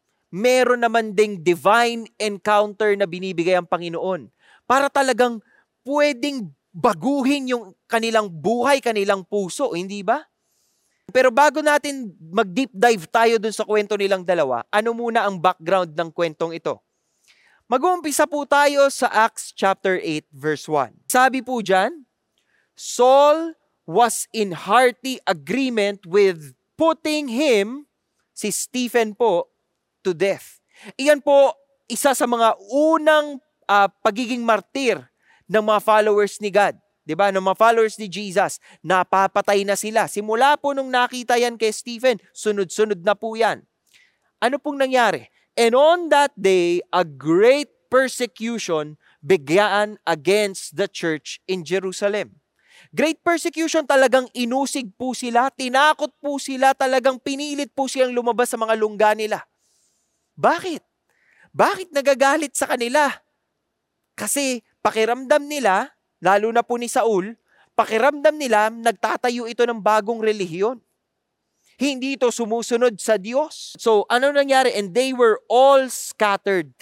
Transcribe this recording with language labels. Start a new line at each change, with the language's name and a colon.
Filipino: Meron naman ding divine encounter na binibigay ang Panginoon para talagang pwedeng baguhin yung kanilang buhay, kanilang puso, hindi ba? Pero bago natin mag-deep dive tayo dun sa kwento nilang dalawa, ano muna ang background ng kwentong ito? Mag-uumpisa po tayo sa Acts chapter 8 verse 1. Sabi po dyan,
English: Saul was in hearty agreement with putting him,
Filipino: si Stephen po,
English: to death.
Filipino: Iyan po isa sa mga unang pagiging martir ng mga followers ni God. Diba? Ng mga followers ni Jesus, napapatay na sila. Simula po nung nakita yan kay Stephen, sunod-sunod na po yan. Ano pong nangyari?
English: And on that day, a great persecution began against the church in Jerusalem. Great persecution,
Filipino: talagang inusig po sila, tinakot po sila, talagang pinilit po silang lumabas sa mga lungga nila. Bakit? Bakit nagagalit sa kanila? Kasi pakiramdam nila, lalo na po ni Saul, pakiramdam nila nagtatayo ito ng bagong relihiyon. Hindi ito sumusunod sa Diyos. So ano nangyari?
English: And they were all scattered.